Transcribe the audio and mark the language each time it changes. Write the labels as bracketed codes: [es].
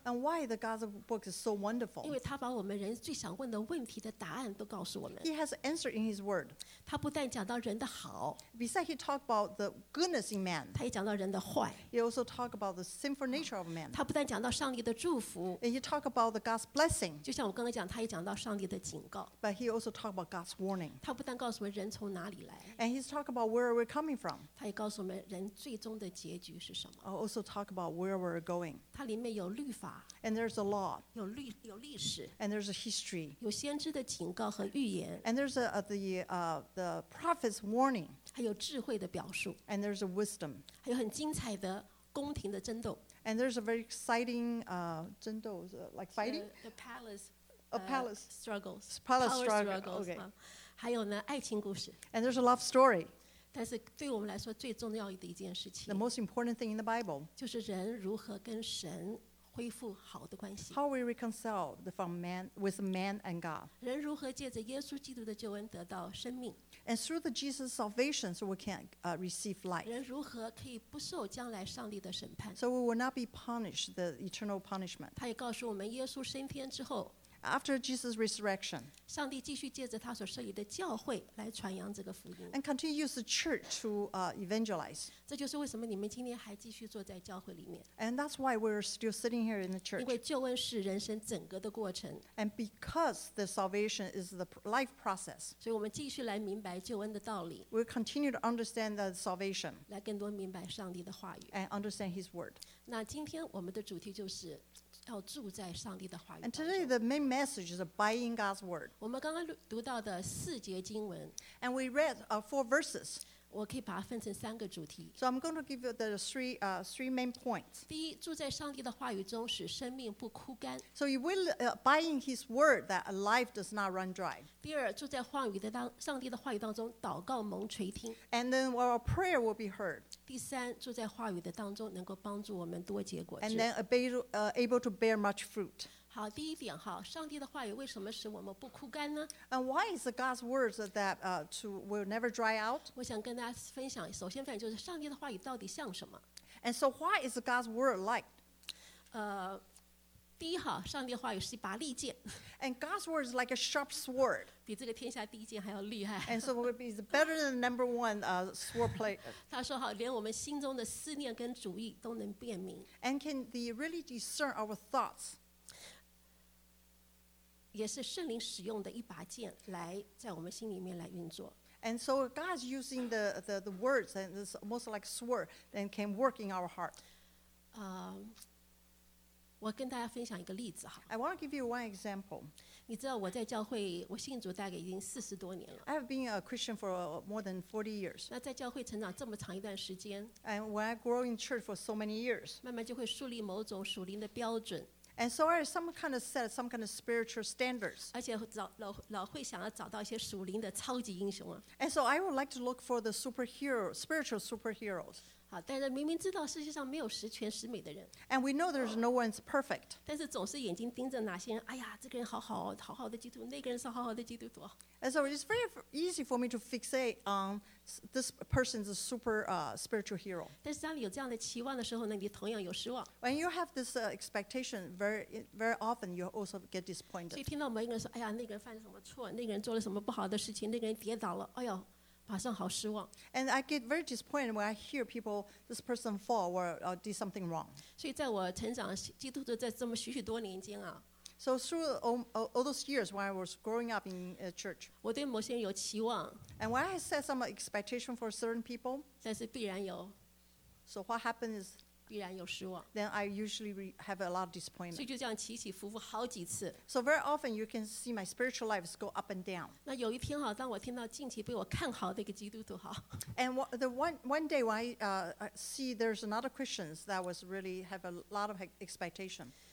[en] And why the God's book is so wonderful? [zh] 因为他把我们人最想问的问题的答案都告诉我们。 [en] He has answered in his word. [zh] 他不但讲到人的好。 [en] Besides, he talked about the goodness in man. [zh] 他也讲到人的坏。 [en] He also talked about the sinful nature of man. [zh] 他不但讲到上帝的祝福。 [en] And he talked about the God's blessing. [zh] 就像我刚刚讲，他也讲到上帝的警告。 [en] But he also talked about God's warning. [zh] 他不但告诉我们人从哪里来。 [en] And he's talked about where we're coming from. [zh] 他也告诉我们人最终的结局是什么。 [en] Also talked about where we're going. [zh] 他里面有律法。 [en] And there's a law. [zh] 有历史。 [en] And there's a history. [zh] 有先知的警告和预言。 [en] And there's the prophet's warning. [zh] 还有智慧的表述。 [en] And there's a wisdom. [zh] 还有很精彩的宫廷的争斗。 [en] And there's a very exciting 争斗 like fighting? The palace. Palace struggles, palace struggles. Okay. [zh] 还有呢，爱情故事。 [en] And there's a love story. [zh] 但是对我们来说最重要的一件事情。 [en] The most important thing in the Bible. [zh] 就是人如何跟神恢复好的关系。 [en] How we reconcile from man with man and God. [zh] 人如何借着耶稣基督的救恩得到生命。 [en] And through the Jesus' salvation, so we can receive life. [zh] 人如何可以不受将来上帝的审判。 [en] So we will not be punished the eternal punishment. [zh] 他也告诉我们，耶稣升天之后。 [en] After Jesus' resurrection, [zh] 上帝继续借着他所设立的教会来传扬这个福音 [en] and continue use the church to evangelize. [zh] 这就是为什么你们今天还继续坐在教会里面 [en] and that's why we're still sitting here in the church. [zh] 因为救恩是人生整个的过程 [en] and because the salvation is the life process. [zh] 所以我们继续来明白救恩的道理 [en] we'll continue to understand the salvation. [zh] 来更多明白上帝的话语 [en] and understand His word. [zh] 那今天我们的主题就是。要住在上帝的话语。 [en] And today the main message is abiding God's word. [zh] 我们刚刚读到的四节经文。 [en] And we read four verses. [zh] 我可以把它分成三个主题。 [en] So I'm going to give you the three main points. [zh] 第一，住在上帝的话语中，使生命不枯干。 [en] So you will abide in His word that life does not run dry. [zh] 第二，住在话语的当上帝的话语当中，祷告蒙垂听。 [en] And then our prayer will be heard. [zh] 第三，住在话语的当中，能够帮助我们多结果子。 [en] And then able to bear much fruit. [zh] 好，第一点哈，上帝的话语为什么使我们不枯干呢 [en] ？And why is God's words that will never dry out? [zh] 我想跟大家分享，首先就是上帝的话语到底像什么 [en] ？And so why is God's word like? [zh] 第一哈，上帝的话语是一把利剑。 [en] And God's word is like a sharp sword. [zh] 比这个天下第一剑还要厉害。 [en] And so it would be better than the number one sword play. [zh] 他说好，连我们心中的思念跟主意都能辨明。 [en] And can they really discern our thoughts? [zh] 也是圣灵使用的一把剑，来在我们心里面来运作。 [en] And so God's using the words, and it's almost like a sword, and can work in our heart. [zh] 我跟大家分享一个例子哈。 [en] I want to give you one example. [zh] 你知道我在教会，我信主大概已经四十多年了。 [en] I have been a Christian for more than 40 years. [zh] 那在教会成长这么长一段时间。 [en] And when I grow in church for so many years. [zh] 慢慢就会树立某种属灵的标准。 [en] And so I have some kind of set some kind of spiritual standards. [zh] 而且老会想要找到一些属灵的超级英雄啊。 [en] And so I would like to look for the superhero, spiritual superheroes. [zh] 好，但是明明知道世界上没有十全十美的人。 [en] And we know there's no one's perfect. [zh] 但是总是眼睛盯着哪些人，哎呀，这个人好好，好好的基督徒，那个人是好好的基督徒。 [en] And so it's very easy for me to fixate on this person's super spiritual hero. [zh] 但是当你有这样的期望的时候呢，你同样有失望。 [en] When you have this expectation, very often you also get disappointed. [zh] 所以听到某一个人说，哎呀，那个人犯什么错，那个人做了什么不好的事情，那个人跌倒了，哎呦。马上好失望 [en] and I get very disappointed when I hear people this person fall or did something wrong. [zh] 所以在我成长基督徒在这么许许多年间啊 [en] So through all those years when I was growing up in a church, [zh] 我对某些人有期望。 [en] And when I set some expectation for certain people, [zh] 但是必然有。 [en] So what happened is, [zh] 必然有失望。 [en] Then I usually have a lot of disappointment. [zh] 所以就这样起起伏伏好几次。 [en] So very often you can see my spiritual life go up and down. [zh] 那有一天哈，当我听到近期被我看好的一个基督徒哈。 [en] And one day when I see there's another Christians that was really have a lot of expectation.